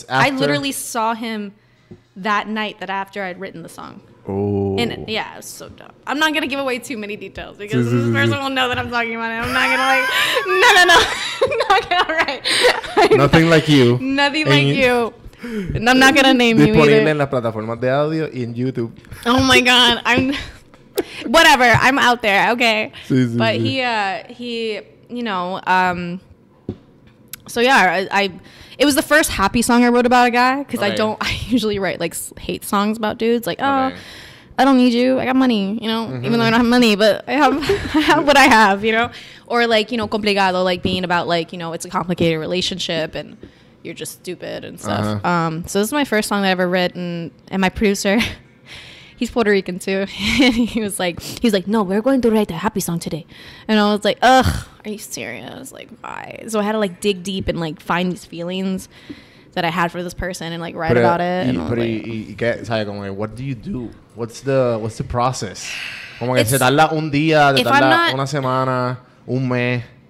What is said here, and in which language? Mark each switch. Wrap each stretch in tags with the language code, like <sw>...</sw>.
<en>I literally saw him that night that after I'd written the song. Oh. Yeah, it was so dumb. I'm not going to give away too many details because this person will know that I'm talking about it. I'm not going to like, no. Nothing Like You. Nothing Like You. And I'm not going to name you either.</en> <es>Disponible en las plataformas de audio y en YouTube.</es> <en>Oh my God. Whatever. I'm out there. Okay.</en> <es>Sí, sí,</es> <en>but</en> <es>sí.</es> <en>he... You know, so yeah, it was the first happy song I wrote about a guy because I usually write like hate songs about dudes, like, oh, I don't need you. I got money, you know, mm-hmm. even though I don't have money, but I have what I have, you know, or like, you know, complicado, like being about like, you know, it's a complicated relationship and you're just stupid and stuff. Uh-huh. So this is my first song that I ever written. And my producer, he's Puerto Rican too. he was like, no, we're going to write a happy song today. And I was like, ugh, are you serious? Like, why? So I had to like dig deep and like find these feelings that I had for this person and like write about it. What do you do? What's the process?</en> <es>Como que se tarda un día, se tarda una semana, un mes.</es>